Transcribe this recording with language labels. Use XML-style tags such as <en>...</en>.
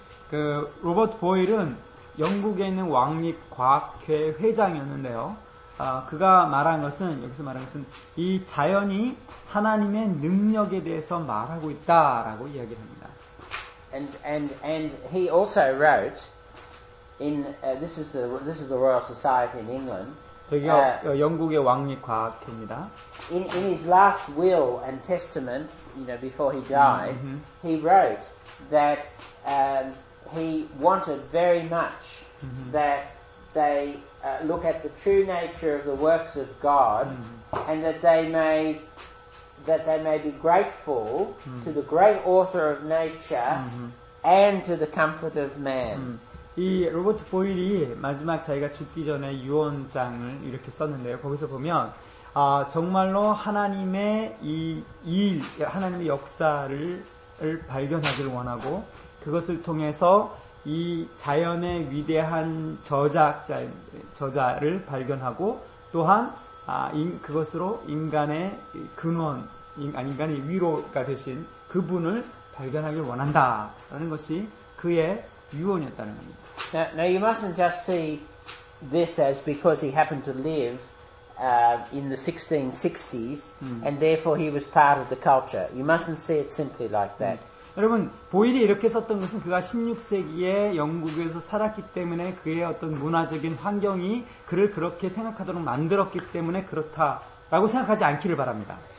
<ko>그 로버트 보일은 영국에 있는 왕립 과학회 회장이었는데요. 그가 말한 것은 여기서 말한 것은 이 자연이 하나님의 능력에 대해서 말하고 있다라고 이야기를 합니다.</ko> <en>And he also wrote in this is the Royal Society in England.</en> <ko>여기 영국의 왕립 과학회입니다.</ko> <en>In his last will and testament, you know, before he died, he wrote that he wanted very much that they look at the true nature of the works of God, and that they may be grateful to the great author of nature and to the comfort of man.</en> <ko>이 로버트 보일이 마지막 자기가 죽기 전에 유언장을 이렇게 썼는데요. 거기서 보면 정말로 하나님의 이 일, 하나님의 역사를 발견하기를 원하고 그것을 통해서 이 자연의 위대한 저자를 발견하고 또한 그것으로 인간의 근원, 인간의 위로가 되신 그분을 발견하길 원한다라는 것이 그의 유언이었다는 겁니다.</ko> <en>Now you mustn't just see this as because he happened to live in the 1660s and therefore he was part of the culture. You mustn't see it simply like that.</en> <ko>여러분, 보일이 이렇게 썼던 것은 그가 16세기에 영국에서 살았기 때문에 그의 어떤 문화적인 환경이 그를 그렇게 생각하도록 만들었기 때문에 그렇다라고 생각하지 않기를 바랍니다.</ko>